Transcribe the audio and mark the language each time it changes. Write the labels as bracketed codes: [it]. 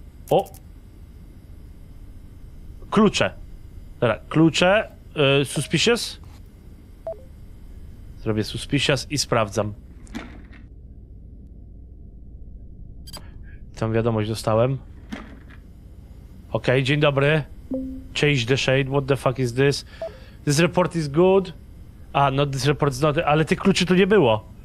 [pl] O! Klucze. Dobra, klucze. Suspicious. Zrobię suspicious i sprawdzam. Tam wiadomość dostałem. Okej, dzień dobry. [en] Change the shade, what the fuck is this? This report is good. [pl] A, no, report z noty, ale tych kluczy tu nie było.